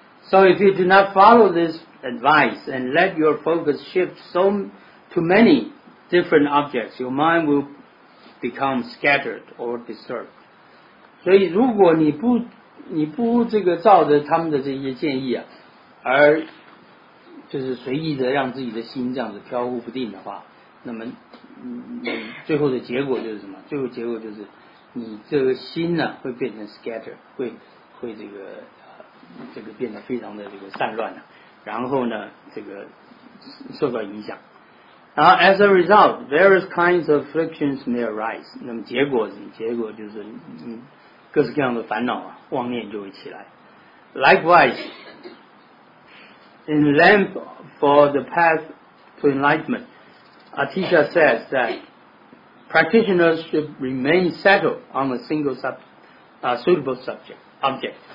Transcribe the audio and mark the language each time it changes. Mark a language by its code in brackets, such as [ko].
[en] So if you do not follow this advice and let your focus shift so to many different objects, your mind will become scattered or disturbed. [zh] 所以如果你不这个照着他们的这些建议啊，而就是随意的让自己的心这样子飘忽不定的话，那么最后的结果就是什么？最后结果就是你这个心呢会变成 scatter， 会这个变得非常的这个散乱了，然后呢这个受到影响。然后 [en] as a result, various kinds of afflictions may arise。 [zh] 那么结果就是各式各样的烦恼啊，妄念就会起来。 [en] Likewise. In length for the path to enlightenment, Atisha says that practitioners should remain settled on a single suitable object.